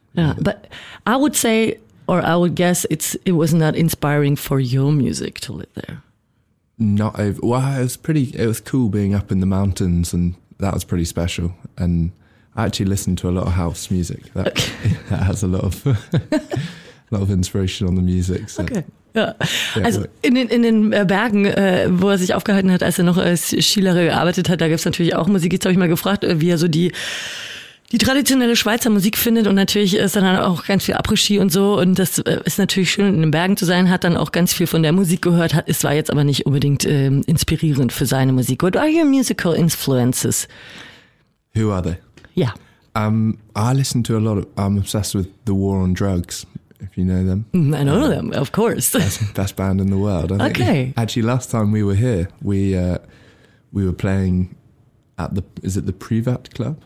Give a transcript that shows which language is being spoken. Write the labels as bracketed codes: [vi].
[en] Yeah, but I would say, or I would guess, it was not inspiring for your music to live there. It was cool being up in the mountains, and that was pretty special. And I actually listened to a lot of house music. That has a lot of a lot of inspiration on the music. So. Okay. [de] Ja, also in den Bergen, wo er sich aufgehalten hat, als er noch als Skilehrer gearbeitet hat, da gibt's natürlich auch Musik. Jetzt habe ich mal gefragt, wie er so die die traditionelle Schweizer Musik findet und natürlich ist dann auch ganz viel Après-Ski und so und das ist natürlich schön in den Bergen zu sein, hat dann auch ganz viel von der Musik gehört, es war jetzt aber nicht unbedingt inspirierend für seine Musik. [en] What are your musical influences? Who are they? Yeah. I listen to a lot of, I'm obsessed with The War on Drugs, if you know them. I know them, of course. Best band in the world. I think. Okay. Actually, last time we were here, we were playing at the, is it the Privat Club?